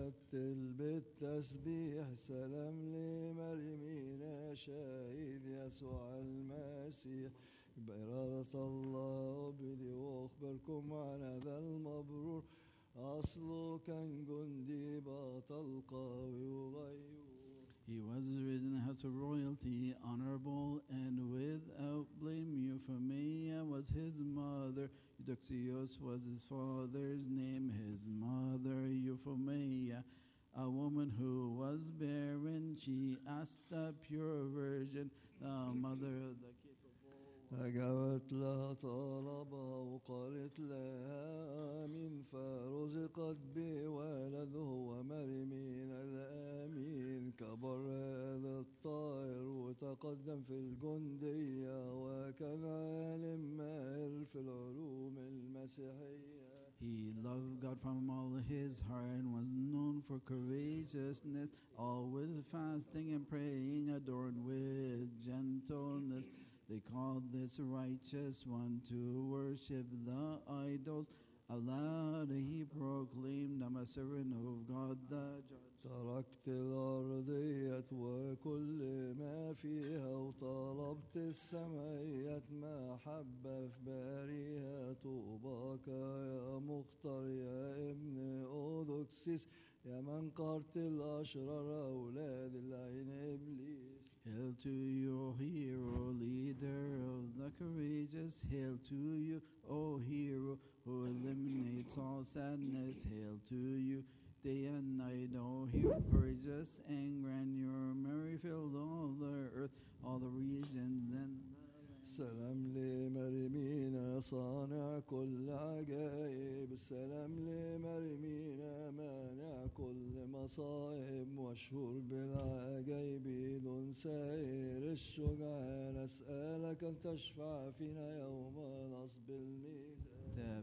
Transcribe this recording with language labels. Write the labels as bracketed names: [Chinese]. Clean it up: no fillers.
[Arabic] تسبيح سلام لمريمين شاهد يسوع المسيح بإرادة الله وبدي وأخبركم عن هذا المبرور أصله كان جندي بطل قوي وغيور. [English] He was raised in the house of royalty, honorable and without blame. Euphemia was his mother. Eudoxios was his father's name. His mother, Euphemia, a woman who was barren, she asked the pure virgin, the mother of the capable. [Arabic] أجابت لها طلبها وقالت لها آمين فرزقت بولد هو مريمين الآمين كبر هذا الطائر وتقدم في الجندية وكان عالم ماهر في العلوم المسيحية. [English] He loved God from all his heart and was known for courageousness, always fasting and praying, adorned with gentleness. They called this righteous one to worship the idols. Aloud he proclaimed, I'm a servant of God the Judge. [Arabic] تركت الأرض وكل ما فيها وطلبت السميات ما حب في باريها طوباك يا مختار يا ابن أودوكسيس يا من قرت الأشرار أولاد العين إبليس. [English] Hail to you, O hero, leader of the courageous. Hail to you, O hero, who eliminates all sadness. Hail to you, day and night, O hero, courageous and grand. Your merry filled all the earth, all the regions and [Arabic] سلام لمريمين صانع كل عجائب سلام لمريمين مانع كل مصائب مشهور بالعجائب دون سائر الشجعان اسألك ان تشفع فينا يوم نصب الميزان